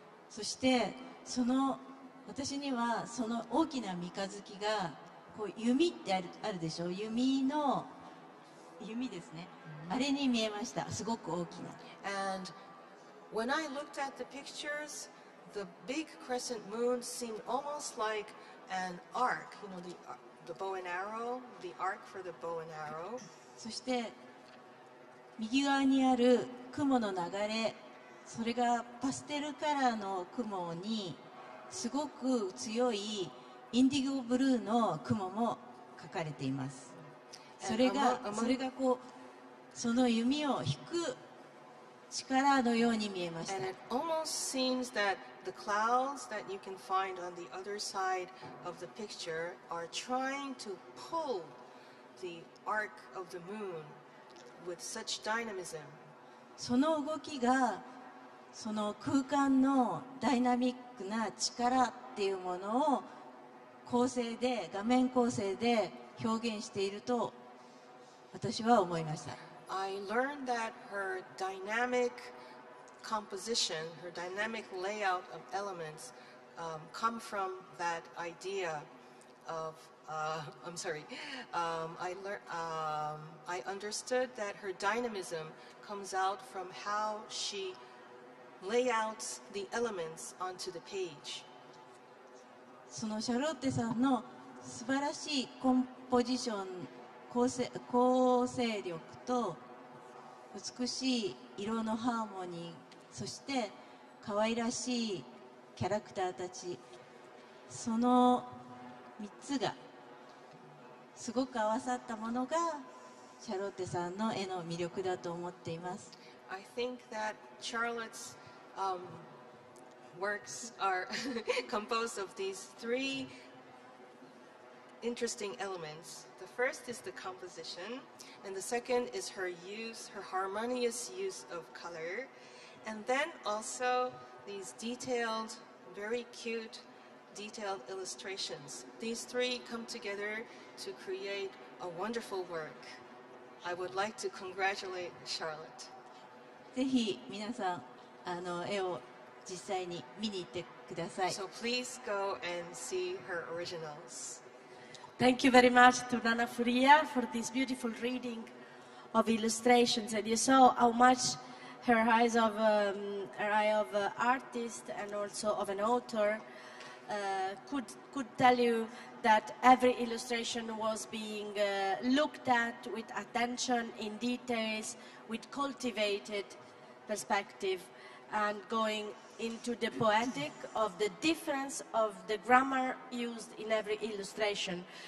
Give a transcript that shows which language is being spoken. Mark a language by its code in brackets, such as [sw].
[ja] そしてその私にはその大きな三日月がこう弓ってあるでしょ弓の弓ですね、mm-hmm. あれに見えましたすごく大きな [en] AndWhen I looked at the pictures, the big crescent moon seemed almost like an arc, you know, the bow and arrow, the arc for the bow and arrow. [ja] そして右側にある雲の流れ、それがパステルカラーの雲にすごく強いインディゴブルーの雲も描かれています。それがこうその弓を引く力のように見えました。 [en] And it almost seems that the clouds that you can find on the other side of the picture are trying to pull the arc of the moon with such dynamism. [ja] その動きがその空間のダイナミックな力っていうものを構成で画面構成で表現していると私は思いました。 [en] I learned that her dynamic composition, her dynamic layout of elements, come from that idea of I'm sorry. I understood that her dynamism comes out from how she lay out the elements onto the page. [ja] そのシャローテさんの素晴らしいコンポジション構成力と美しい色のハーモニーそして可愛らしいキャラクターたちその3つがすごく合わさったものがシャローテさんの絵の魅力だと思っています。 [en] I think that Charlotte's, works are composed of these three interesting elements. The first is the composition, and the second is her use, her harmonious use of color, and then also these detailed, very cute, detailed illustrations. These three come together to create a wonderful work. I would like to congratulate Charlotte. [ja] ぜひ皆さん、あの絵を実際に見に行ってください。 [en] So please go and see her originals. Thank you very much to Nana Furiya for this beautiful reading of illustrations. And you saw how much her eyes of her eye of an artist and also of an author could tell you that every illustration was being looked at with attention, in details, with cultivated perspective and going into the poetic of the difference of the grammar used in every illustration.